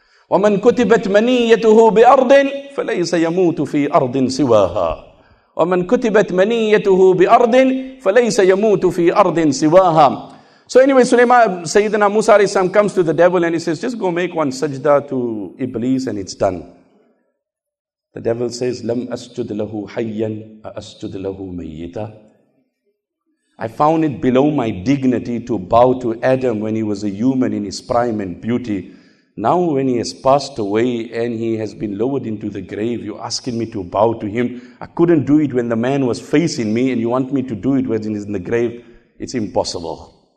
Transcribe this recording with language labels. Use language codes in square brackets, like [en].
[ar] وَمَنْ كُتِبَتْ مَنِيَّتُهُ بِأَرْضٍ فَلَيْسَ يَمُوتُ فِي أَرْضٍ سِوَاهَا. وَمَنْ كُتِبَتْ مَنِيَّتُهُ بِأَرْضٍ فَلَيْسَ يَمُوتُ فِي أَرْضٍ سِوَاهَا. [en] So anyway, Sayyidina Musa alayhi salam comes to the devil and he says, just go make one sajda to Iblis and it's done. The devil says, [ar] لَمْ أَسْجُدْ لَهُ حَيًّا أَسْجُدْ لَهُ مَيِّتًا. [en] I found it below my dignity to bow to Adam when he was a human in his prime and beauty. Now when he has passed away and he has been lowered into the grave, you're asking me to bow to him. I couldn't do it when the man was facing me and you want me to do it when he's in the grave. It's impossible.